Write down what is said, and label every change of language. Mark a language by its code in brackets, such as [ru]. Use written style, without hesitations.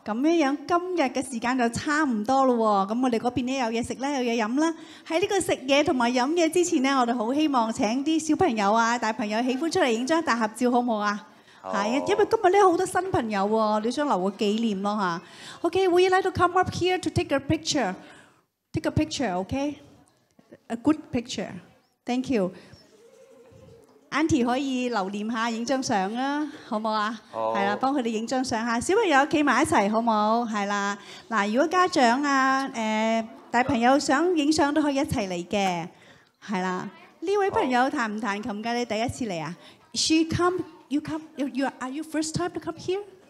[yue] 咁样样今日嘅时间就差唔多咯，咁我哋嗰边咧有嘢食咧，有嘢饮啦。喺呢个食嘢同埋饮嘢之前咧，我哋好希望请啲小朋友啊、大朋友喜欢出嚟影张大合照，好唔好啊？系，因为今日咧好多新朋友喎，你想留个纪念咯吓。 [en] Okay, would you like to come up here to take a picture? Take a picture, okay? A good picture. Thank you. [yue] Auntie 可以留念下，影张相啊，好唔好啊？系啦，帮佢哋影张相吓。小朋友企埋一齐，好唔好？系啦，嗱，如果家长啊，大朋友想影相都可以一齐嚟嘅，系啦。呢位朋友弹唔弹琴噶？你第一次嚟啊 [en] ？She come, you come, you are you first time to come here?